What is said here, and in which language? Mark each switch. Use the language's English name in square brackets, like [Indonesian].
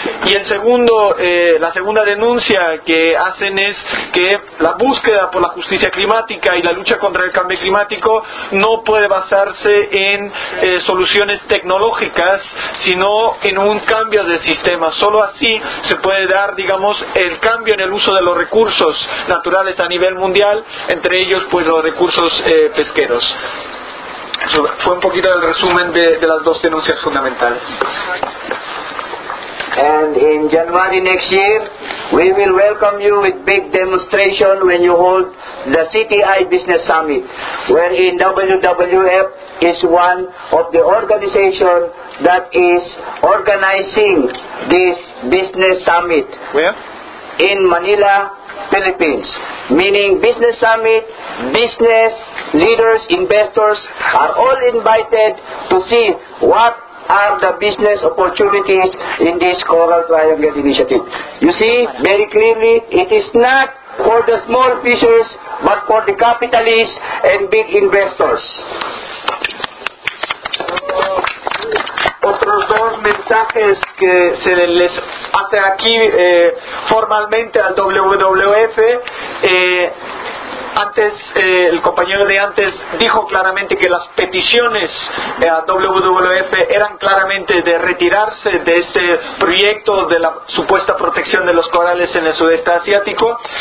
[Spanish] Y el segundo, la segunda denuncia que hacen es que la búsqueda por la justicia climática y la lucha contra el cambio climático no puede basarse en soluciones tecnológicas, sino en un cambio de sistema. Solo así se puede dar, digamos, el cambio en el uso de los recursos naturales a nivel mundial, entre ellos pues los recursos pesqueros. Eso fue un poquito el resumen de las dos denuncias fundamentales. [English] And in January next year, we will welcome you with big demonstration when you hold the CTI Business Summit, wherein WWF is one of the organizations that is organizing this business summit. Where? In Manila, Philippines, meaning business summit, business leaders, investors are all invited to see what are the business opportunities in this Coral Triangle Initiative. You see very clearly it is not for the small fishers but for the capitalists and big investors. [Spanish] Otros dos mensajes que se les hace aquí formalmente al WWF. Antes, el compañero de antes dijo claramente que las peticiones a WWF eran claramente de retirarse de este proyecto de la supuesta protección de los corales en el sudeste asiático.